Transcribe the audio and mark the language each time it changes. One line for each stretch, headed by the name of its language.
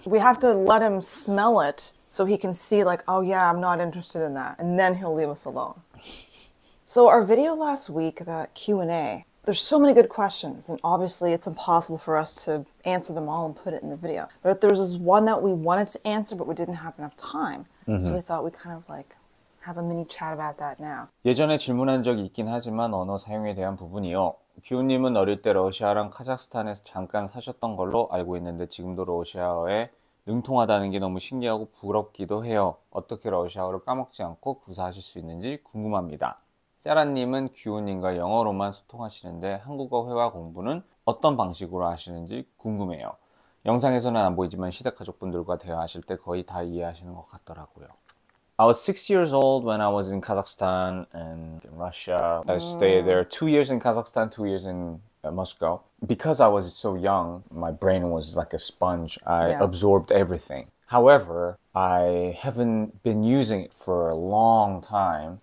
English: We have to let him smell it so he can see like, oh yeah, I'm not interested in that. And then he'll leave us alone. So our video last week, that Q&A, there's so many good questions, and obviously it's impossible for us to answer them all and put it in the video. But there's this one that we wanted to answer, but we didn't have enough time. Mm-hmm. So we thought we kind of like... have a mini chat about that now.
Korean: 예전에 질문한 적이 있긴 하지만 언어 사용에 대한 부분이요. 기훈님은 어릴 때 러시아랑 카자흐스탄에서 잠깐 사셨던 걸로 알고 있는데 지금도 러시아어에 능통하다는 게 너무 신기하고 부럽기도 해요. 어떻게 러시아어를 까먹지 않고 구사하실 수 있는지 궁금합니다. 세라님은 기훈님과 영어로만 소통하시는데 한국어 회화 공부는 어떤 방식으로 하시는지 궁금해요. 영상에서는 안 보이지만 시댁 가족분들과 대화하실 때 거의 다 이해하시는 것 같더라고요.
English: I was 6 years old when I was in Kazakhstan and in Russia. I stayed there 2 years in Kazakhstan, 2 years in Moscow. Because I was so young, my brain was like a sponge. I absorbed everything. However, I haven't been using it for a long time.